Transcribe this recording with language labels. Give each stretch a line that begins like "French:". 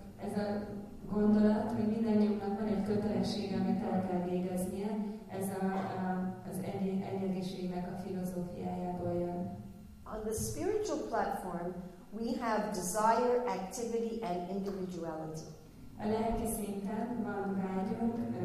Hungarian: Ez a gondolat, hogy mindannyiunknak van egy kötelessége, amit el kell végeznie, ez az egyediségnek a filozófiájából jön.
English: On the spiritual platform, we have desire, activity, and individuality.
Hungarian: A lelki szinten van vágyunk,